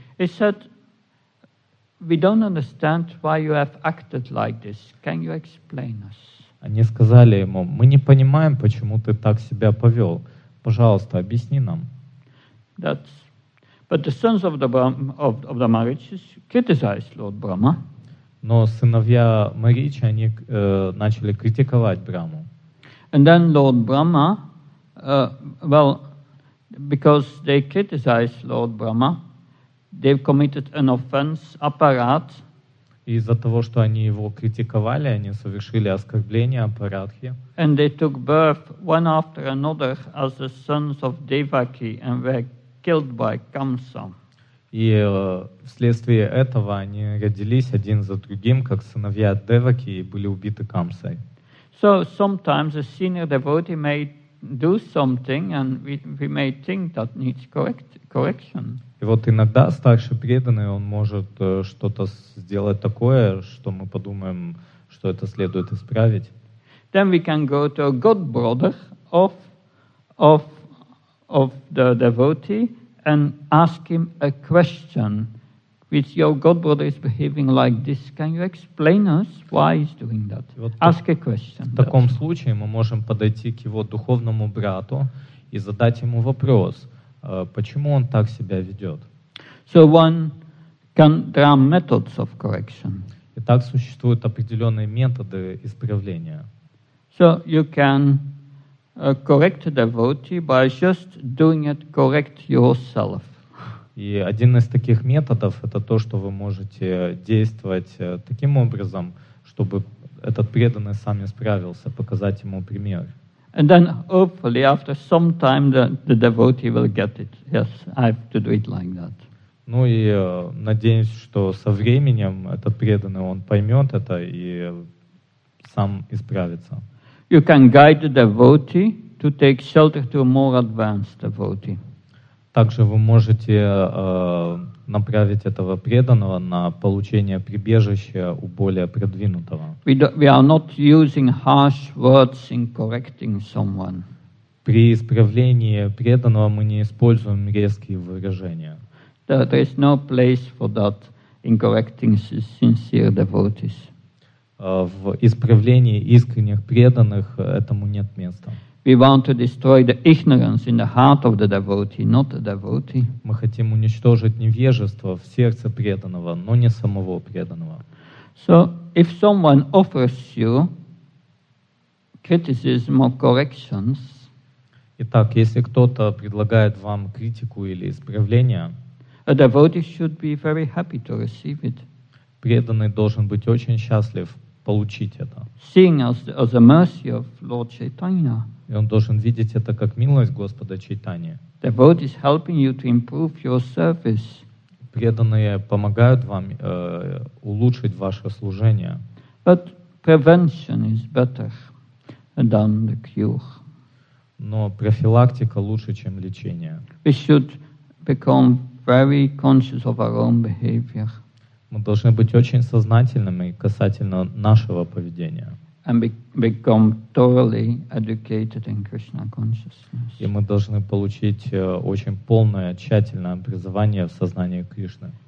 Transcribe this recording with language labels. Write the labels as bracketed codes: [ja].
[en] He said, we don't understand why you have acted like this. Can you explain us? [ru] Они сказали ему, мы не понимаем, почему ты так себя повел. Пожалуйста, объясни нам. [en] But the sons of the Marichis criticized Lord Brahma. [ru] Но сыновья Маричи, они начали критиковать Браму. [en] And then Lord Brahma, well, because they criticized Lord Brahma, they've committed an offense apparat. [ru] Из-за того, что они его критиковали, они совершили оскорбление Апарадхи. [en] And they took birth one after another as the sons of Devaki and were killed by Kamsa. [ru] И вследствие этого они родились один за другим, как сыновья Деваки, и были убиты Камсой. [en] So sometimes a senior devotee may do something and we may think that needs correction. [ru] И вот иногда старший преданный, он может что-то сделать такое, что мы подумаем, что это следует исправить. [en] Then we can go to a god brother of the devotee and ask him a question. If your god brother is behaving like this, can you explain us why he's doing that? [ru] Вот [en] ask a question. [ru] В таком случае мы можем подойти к его духовному брату и задать ему вопрос. Почему он так себя ведет? [en] So one can, there are methods of correction. [ru] Итак, существуют определенные методы исправления. [en] So you can correct a devotee by just doing it correct yourself. [ru] И один из таких методов – это то, что вы можете действовать таким образом, чтобы этот преданный сам исправился, показать ему пример. [en] And then hopefully after some time the devotee will get it. Yes, I have to do it like that. [ru] Ну и надеюсь, что со временем этот преданный, он поймет это и сам исправится. [en] You can guide the devotee to take shelter to a more advanced devotee. [ru] Также вы можете направить этого преданного на получение прибежища у более продвинутого. [en] We are not using harsh words in correcting someone. [ru] При исправлении преданного мы не используем резкие выражения. [en] There is no place for that in correcting sincere devotees. [ru] В исправлении искренних преданных этому нет места. [en] We want to destroy the ignorance in the heart of the devotee, not the devotee. [ru] Мы хотим уничтожить невежество в сердце преданного, но не самого преданного. [en] So, if someone offers you criticism or corrections, [ru] итак, если кто-то предлагает вам критику или исправление, [en] a devotee should be very happy to receive it. [ru] Преданный должен быть очень счастлив получить это. [en] Seeing as the mercy of Lord Chaitanya. [ru] И он должен видеть это как милость Господа Чайтани. [en] The devotee is helping you to improve your service. [ru] Преданные помогают вам улучшить ваше служение. [en] But prevention is better than the cure. [ru] Но профилактика лучше, чем лечение. [en] We should become very conscious of our own behavior. [ru] Мы должны быть очень сознательными касательно нашего поведения. [en] And become thoroughly educated in Krishna consciousness. [ru] И мы должны получить очень полное, тщательное образование в сознании Кришны.